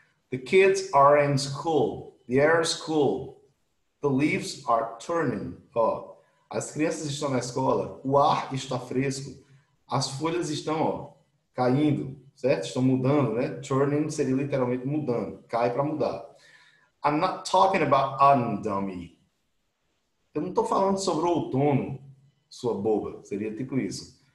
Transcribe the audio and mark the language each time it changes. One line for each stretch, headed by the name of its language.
English: The kids are in school. The air is cool. The leaves are turning. Ó. Oh.
Portuguese: As crianças estão na escola, o ar está fresco, as folhas estão, ó, caindo, certo? Estão mudando, né? Turning seria literalmente mudando, cai para mudar.
English: I'm not talking about autumn, dummy.
Portuguese: Eu não estou falando sobre o outono, sua boba, seria tipo isso.